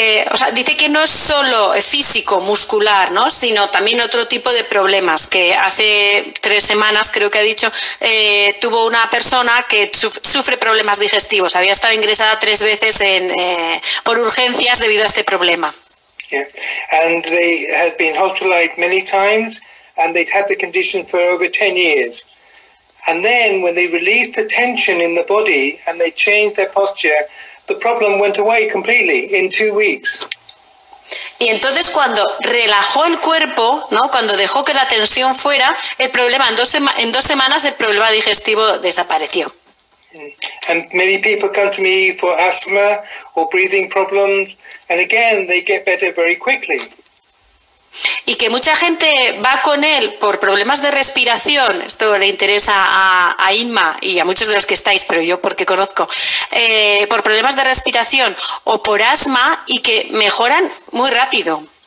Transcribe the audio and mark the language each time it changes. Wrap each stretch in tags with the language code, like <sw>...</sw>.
<es>O sea, dice que no es solo físico, muscular, ¿no? Sino también otro tipo de problemas. Que hace 3 semanas, creo que ha dicho, tuvo una persona que sufre problemas digestivos. Había estado ingresada 3 veces por urgencias debido a este problema.</es> <en>Yeah, and they had been hospitalized many times, and they'd had the condition for over 10 years. And then, when they released the tension in the body and they changed their posture, the problem went away completely in 2 weeks.</en> <es>Y entonces cuando relajó el cuerpo, ¿no? Cuando dejó que la tensión fuera, el problema en dos semanas el problema digestivo desapareció.</es> <en>And many people come to me for asthma or breathing problems, and again they get better very quickly.</en> <es>Y que mucha gente va con él por problemas de respiración, esto le interesa a Inma y a muchos de los que estáis, pero yo porque conozco, por problemas de respiración o por asma, y que mejoran muy rápido.</es>